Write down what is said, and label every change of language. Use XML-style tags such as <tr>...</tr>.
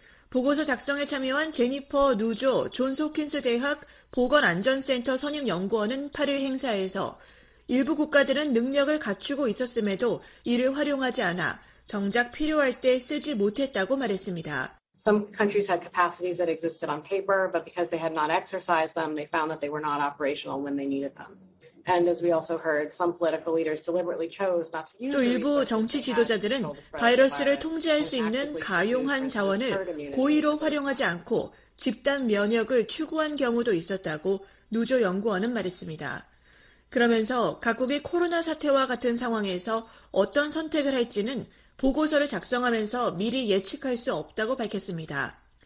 <ko>보고서 작성에 참여한 제니퍼 누조 존스홉킨스 대학 보건안전센터 선임연구원은 8일 행사에서 일부 국가들은 능력을 갖추고 있었음에도 이를 활용하지 않아 정작 필요할 때 쓰지 못했다고 말했습니다.</ko> <en>Some countries had capacities that existed on paper, but because they had not exercised them, they found that they were not operational when they needed them. And as we also heard, some political leaders deliberately chose not to use.</en> <ko>또 일부 정치 지도자들은 바이러스를 통제할 수 있는 가용한 자원을 고의로 활용하지 않고 집단 면역을 추구한 경우도 있었다고 누조 연구원은 말했습니다. 그러면서 각국의 코로나 사태와 같은 상황에서 어떤 선택을 할지는 보고서를 작성하면서 미리 예측할 수 없다고 밝혔습니다.</ko>